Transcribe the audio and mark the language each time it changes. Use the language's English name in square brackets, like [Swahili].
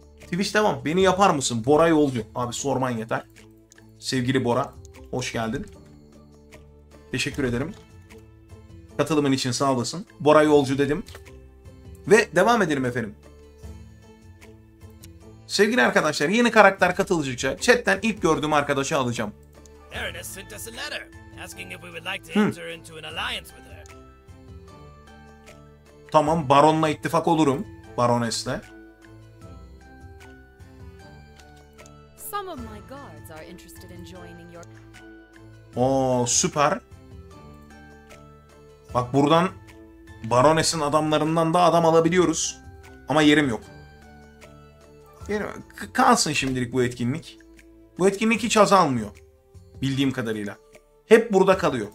[Turkish] Twitch devam. Beni yapar mısın? Bora Yolcu. Abi sorman yeter. Sevgili Bora. Hoş geldin. Teşekkür ederim. Katılımın için sağ olasın. Bora Yolcu dedim. Ve devam edelim efendim. Sevgili arkadaşlar, yeni karakter katılacakça chatten ilk gördüğüm arkadaşı alacağım. [English] Erinus sent us a letter asking if we would like to enter into an alliance with her. [Turkish] Tamam, Baron'la ittifak olurum. Baroness'le. [English] Some of my guards are interested in joining your... [Turkish] Oo, süper. Bak buradan Baroness'in adamlarından da adam alabiliyoruz. Ama yerim yok. Yerim yok. Kalsın şimdilik bu etkinlik. Bu etkinlik hiç azalmıyor. Bildiğim kadarıyla. Hep burada kalıyor.